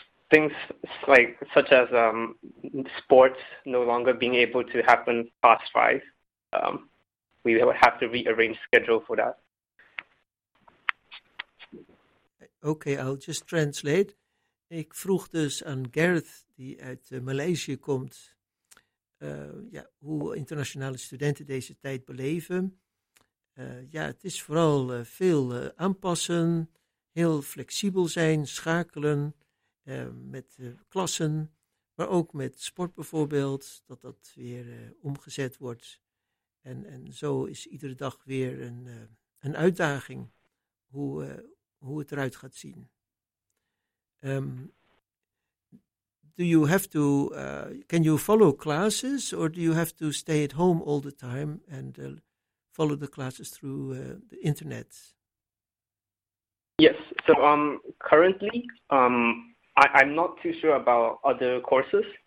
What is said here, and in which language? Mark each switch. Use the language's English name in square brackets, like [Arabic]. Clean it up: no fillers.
[English] Things such as sports no longer being able to happen past 5, we would have to rearrange schedule for that. Okay, I'll just translate. [Dutch] Ik vroeg dus aan Gareth, die uit Maleisië komt, hoe internationale studenten deze tijd beleven. Het is vooral veel aanpassen, heel flexibel zijn, schakelen met klassen, maar ook met sport bijvoorbeeld, dat weer omgezet wordt. En zo is iedere dag weer een uitdaging hoe het eruit gaat zien. [English] Do you have to, can you follow classes or do you have to stay at home all the time and follow the classes through the internet? Yes, so currently I'm not too sure about other courses,